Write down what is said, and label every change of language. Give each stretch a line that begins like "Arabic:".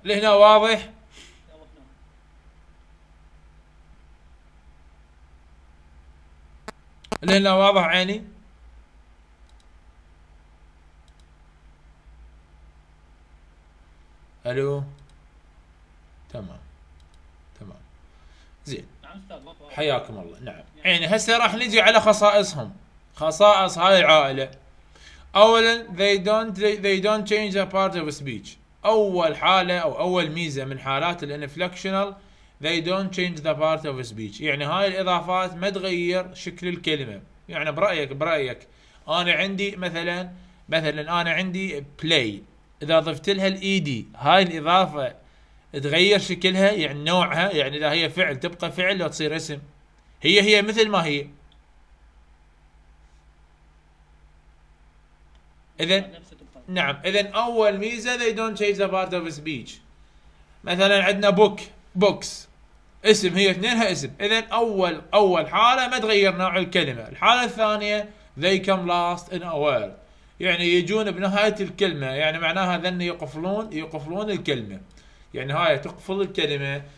Arabic: لهنا واضح؟ لهنا واضح عيني؟ ألو؟ تمام تمام زين حياكم الله. نعم عيني هسه راح نجي على خصائصهم، خصائص هاي العائلة. أولا
English: they don't change a part of speech.
Arabic: أول حالة أو أول ميزة من حالات الـ inflectional
English: they don't change the part of speech،
Arabic: يعني هاي الإضافات ما تغير شكل الكلمة. يعني برأيك برأيك أنا عندي مثلا مثلا أنا عندي play، إذا ضفت لها الـ ed هاي الإضافة تغير شكلها يعني نوعها؟ يعني إذا هي فعل تبقى فعل أو تصير اسم؟ هي هي مثل ما هي. إذن نعم إذن أول ميزة
English: they don't change the part of speech.
Arabic: مثلا عندنا book books اسم، هي اثنينها اسم. إذن أول حالة ما تغير نوع الكلمة. الحالة الثانية
English: they come last in a word،
Arabic: يعني يجون بنهاية الكلمة، يعني معناها ذن يقفلون الكلمة، يعني هاي تقفل الكلمة.